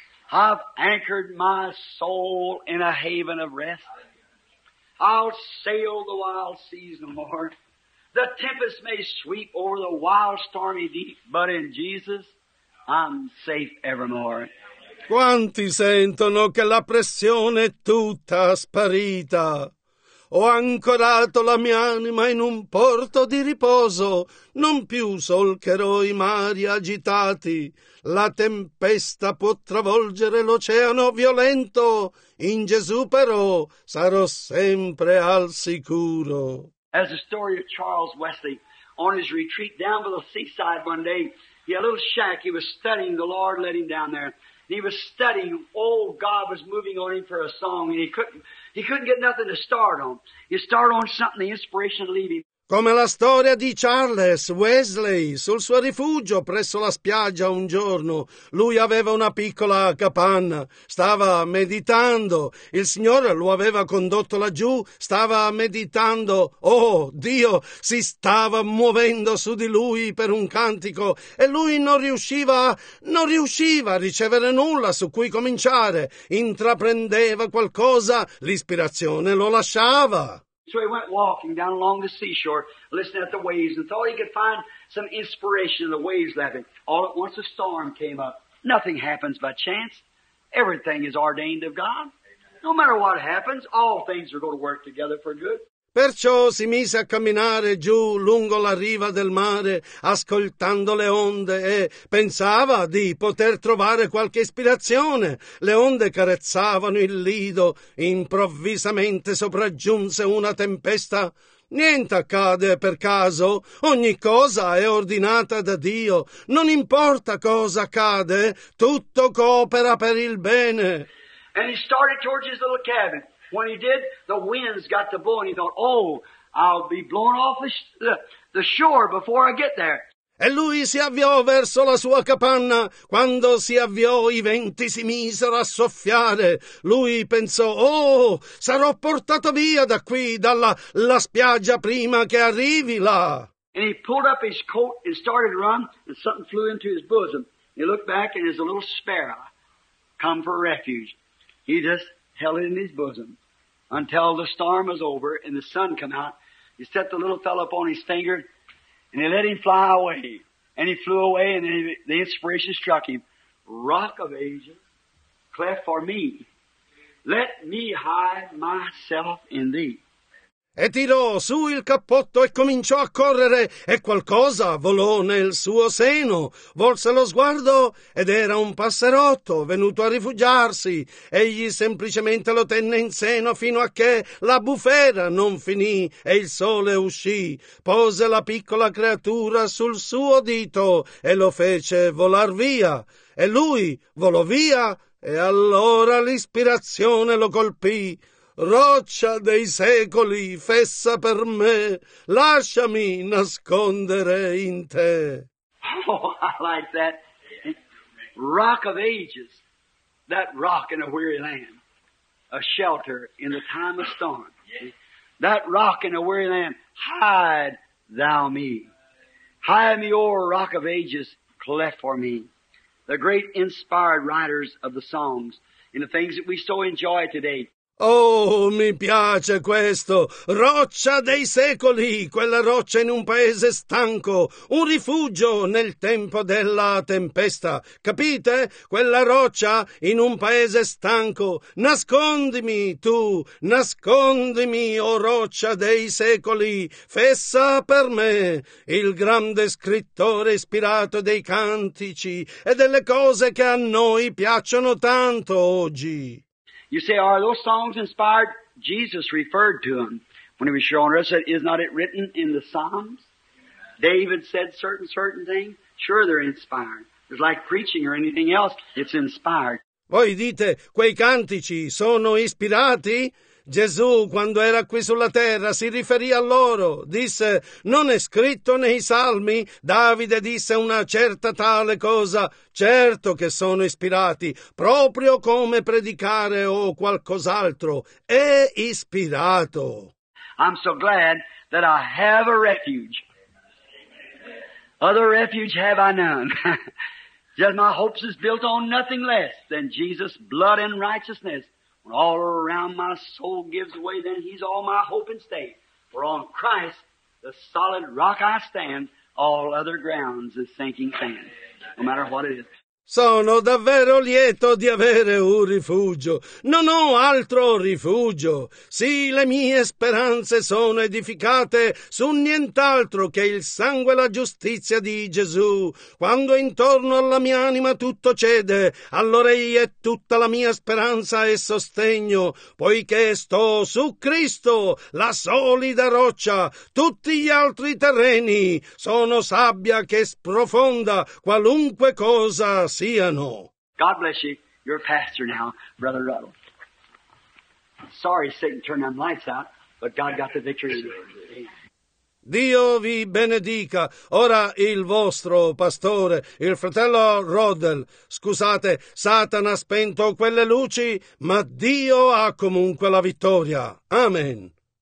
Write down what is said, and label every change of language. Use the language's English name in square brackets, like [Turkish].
[English] I've anchored my soul in a haven of rest. I'll sail the wild seas no more. The tempest may sweep over the wild stormy deep, but in Jesus I'm safe evermore. [Italian] Quanti sentono che la pressione è tutta sparita? Ho ancorato la mia anima in un porto di riposo. Non più solcherò i mari agitati. La tempesta può travolgere l'oceano violento. In Gesù però sarò sempre al sicuro. [English] As the story of Charles Wesley, on his retreat down by the seaside one day, he had a little shack, he was studying, the Lord led him down there. He was studying. Oh, God was moving on him for a song, and he couldn't get nothing to start on. He started on something, the inspiration to leave him. [Italian] Come la storia di Charles Wesley sul suo rifugio presso la spiaggia un giorno. Lui aveva una piccola capanna, stava meditando. Il Signore lo aveva condotto laggiù, stava meditando. Oh, Dio si stava muovendo su di lui per un cantico e lui non riusciva a ricevere nulla su cui cominciare. Intraprendeva qualcosa, l'ispirazione lo lasciava. [English] So he went walking down along the seashore, listening at the waves, and thought he could find some inspiration in the waves laughing. All at once a storm came up. Nothing happens by chance. Everything is ordained of God. No matter what happens, all things are going to work together for good. [Italian] Perciò si mise a camminare giù lungo la riva del mare, ascoltando le onde, e pensava di poter trovare qualche ispirazione. Le onde carezzavano il lido, improvvisamente sopraggiunse una tempesta. Niente accade per caso, ogni cosa è ordinata da Dio. Non importa cosa accade, tutto coopera per il bene. [English] And he started towards his little cabin. When he did, the winds got to blow, and he thought, oh, I'll be blown off the shore before I get there. [Italian] E lui si avviò verso la sua capanna. Quando si avviò, i venti si misero a soffiare. Lui pensò, oh, sarò portato via da qui, dalla spiaggia, prima che arrivi là. [English] And he pulled up his coat and started to run, and something flew into his bosom. He looked back, and there's a little sparrow come for refuge. He just held it in his bosom until the storm was over and the sun came out. He set the little fellow up on his finger and he let him fly away. And he flew away and the inspiration struck him. Rock of ages, cleft for me. Let me hide myself in thee. [Italian] e tirò su il cappotto e cominciò a correre, e qualcosa volò nel suo seno. Volse lo sguardo ed era un passerotto venuto a rifugiarsi. Egli semplicemente lo tenne in seno fino a che la bufera non finì e il sole uscì. Pose la piccola creatura sul suo dito e lo fece volar via. E lui volò via, e allora l'ispirazione lo colpì. «Roccia dei secoli, fessa per me, lasciami nascondere in te!» [English] Oh, I like that. Rock of ages, that rock in a weary land, a shelter in the time of storm. That rock in a weary land, hide thou me. Hide me, O rock of ages, cleft for me. The great inspired writers of the Psalms and the things that we so enjoy today. [Italian] Oh, mi piace questo, roccia dei secoli, quella roccia in un paese stanco, un rifugio nel tempo della tempesta, capite? Quella roccia in un paese stanco, nascondimi tu, nascondimi, o roccia dei secoli, fessa per me. Il grande scrittore ispirato dei cantici e delle cose che a noi piacciono tanto oggi. [English] You say, are those songs inspired? Jesus referred to them when he was here on earth. Said, is not it written in the Psalms? David said certain things. Sure, they're inspired. It's like preaching or anything else. It's inspired. [Italian] Voi dite, quei cantici sono ispirati? Gesù, quando era qui sulla terra, si riferì a loro. Disse, non è scritto nei Salmi? Davide disse una certa tale cosa. Certo che sono ispirati, proprio come predicare o qualcos'altro. È ispirato. [English] I'm so glad that I have a refuge. Other refuge have I none. Just my hopes is built on nothing less than Jesus' blood and righteousness. When all around my soul gives way, then he's all my hope and stay. For on Christ, the solid rock I stand, all other grounds is sinking sand, no matter what it is. [Italian] Sono davvero lieto di avere un rifugio. Non ho altro rifugio. Sì, le mie speranze sono edificate su nient'altro che il sangue e la giustizia di Gesù. Quando intorno alla mia anima tutto cede, allora egli è tutta la mia speranza e sostegno, poiché sto su Cristo, la solida roccia. Tutti gli altri terreni sono sabbia che sprofonda qualunque cosa. [English] God bless you. You're a pastor now, Brother Ruddle. Sorry Satan turned them lights out, but God got the victory. [Italian] Dio vi benedica. Ora il vostro pastore, il fratello Rodel. Scusate, Satana ha spento quelle luci, ma Dio ha comunque la vittoria. Amen.